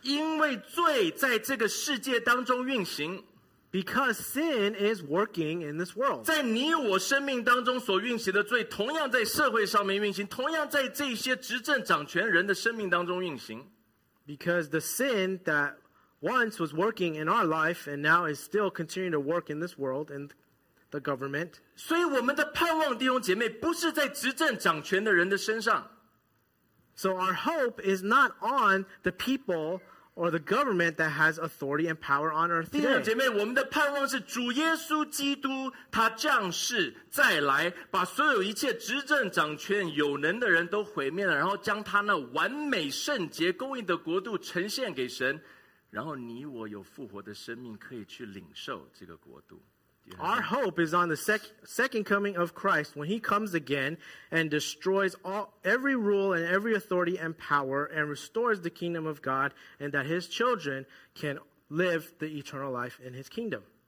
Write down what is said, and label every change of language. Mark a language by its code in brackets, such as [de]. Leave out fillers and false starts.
[zh] 因为罪在这个世界当中运行。 [en] Because sin is working in this world. [zh] 在你我生命当中所运行的罪，同样在社会上面运行，同样在这些执政掌权人的生命当中运行。 [en] Because the sin that once was working in our life and now is still continuing to work in this world and the government. [zh] 所以我们的盼望, 弟兄姐妹, 不是在执政掌权的人的身上。 [en] So our hope is not on the people or the government that has authority and power on earth today. [zh] 弟兄姐妹,我们的盼望是主耶稣基督他降世再来, 把所有一切执政掌权有能的人都毁灭了, 然后将他那完美圣洁公义的国度呈现给神, 然后你我有复活的生命可以去领受这个国度。 [en] Our hope is on the second coming of Christ when he comes again and destroys every rule and every authority and power and restores the kingdom of God and that his children can live the eternal life in his kingdom.